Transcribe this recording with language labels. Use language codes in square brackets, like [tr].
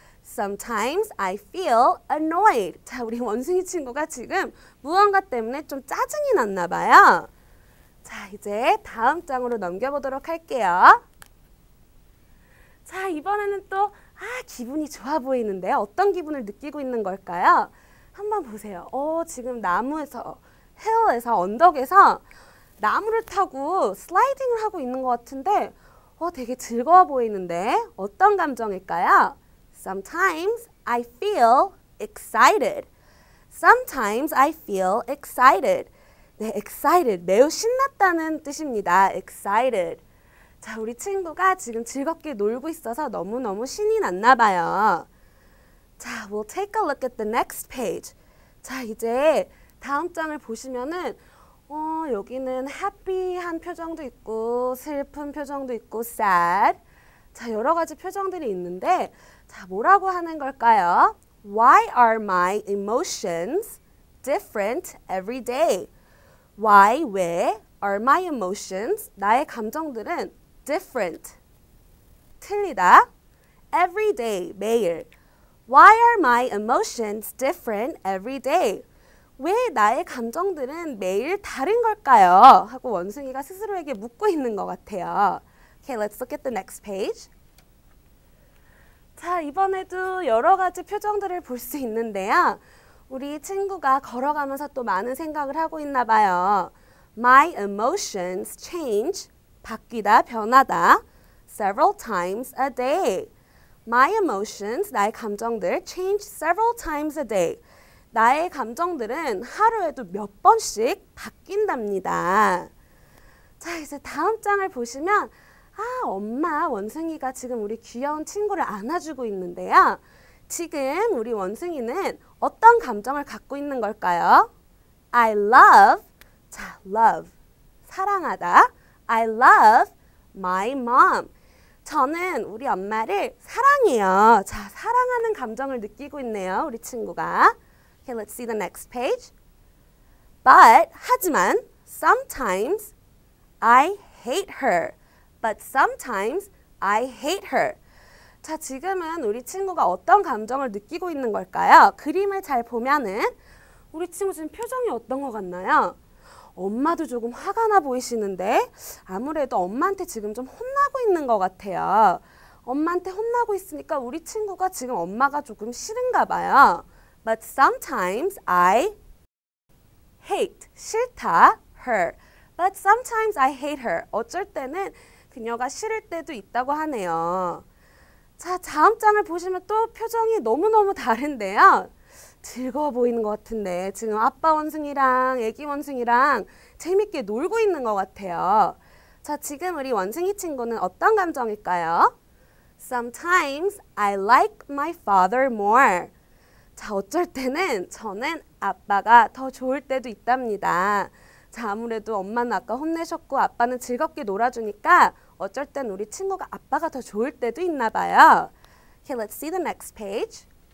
[en] Sometimes I feel annoyed. [ko] 자, 우리 원숭이 친구가 지금 무언가 때문에 좀 짜증이 났나 봐요. 자, 이제 다음 장으로 넘겨보도록 할게요. 자, 이번에는 또 기분이 좋아 보이는데요. 어떤 기분을 느끼고 있는 걸까요? 한번 보세요. 지금 나무에서, 힐에서, 언덕에서 나무를 타고 슬라이딩을 하고 있는 것 같은데 되게 즐거워 보이는데 어떤 감정일까요? [en] Sometimes I feel excited. Sometimes I feel excited. 네, excited. [ko] 매우 신났다는 뜻입니다. [en] Excited. [ko] 자, 우리 친구가 지금 즐겁게 놀고 있어서 너무너무 신이 났나 봐요. [en] 자, we'll take a look at the next page. [ko] 자, 이제 다음 장을 보시면은 여기는 happy한 표정도 있고 슬픈 표정도 있고 sad. 자, 여러 가지 표정들이 있는데 자, 뭐라고 하는 걸까요? [en] Why are my emotions different every day? Why, [ko] 왜 [en] are my emotions, [ko] 나의 감정들은 [en] different, [ko] 틀리다. [en] Every day, [ko] 매일. [en] Why are my emotions different every day? [ko] 왜 나의 감정들은 매일 다른 걸까요? 하고 원숭이가 스스로에게 묻고 있는 것 같아요. [en] Okay, let's look at the next page. [ko] 자, 이번에도 여러 가지 표정들을 볼수 있는데요. 우리 친구가 걸어가면서 또 많은 생각을 하고 있나 봐요. [en] My emotions change, [ko] 바뀌다, 변하다, [en] several times a day. My emotions, [ko] 나의 감정들, [en] change several times a day. [ko] 나의 감정들은 하루에도 몇 번씩 바뀐답니다. 자, 이제 다음 장을 보시면, 엄마, 원숭이가 지금 우리 귀여운 친구를 안아주고 있는데요. 지금 우리 원숭이는 어떤 감정을 갖고 있는 걸까요? [en] I love, 자, love, [ko] 사랑하다. [en] I love my mom. [ko] 저는 우리 엄마를 사랑해요. 자, 사랑하는 감정을 느끼고 있네요, 우리 친구가. [en] Okay, let's see the next page. But, [ko] 하지만, [en] sometimes I hate her. But sometimes I hate her. [ko] 자, 지금은 우리 친구가 어떤 감정을 느끼고 있는 걸까요? 그림을 잘 보면은, 우리 친구 지금 표정이 어떤 것 같나요? 엄마도 조금 화가 나 보이시는데, 아무래도 엄마한테 지금 좀 혼나고 있는 것 같아요. 엄마한테 혼나고 있으니까 우리 친구가 지금 엄마가 조금 싫은가 봐요. [en] But sometimes I hate, [ko] 싫다, [en] her. But sometimes I hate her. [ko] 어쩔 때는 그녀가 싫을 때도 있다고 하네요. 자, 다음 장을 보시면 또 표정이 너무너무 다른데요. 즐거워 보이는 것 같은데. 지금 아빠 원숭이랑 애기 원숭이랑 재밌게 놀고 있는 것 같아요. 자, 지금 우리 원숭이 친구는 어떤 감정일까요? [en] Sometimes I like my father more. [ko] 자, 어쩔 때는 저는 아빠가 더 좋을 때도 있답니다. 자, 아무래도 엄마는 아까 혼내셨고 아빠는 즐겁게 놀아주니까 어쩔 땐 우리 친구가 아빠가 더 좋을 때도 있나 봐요. [en] Okay, let's see the next page.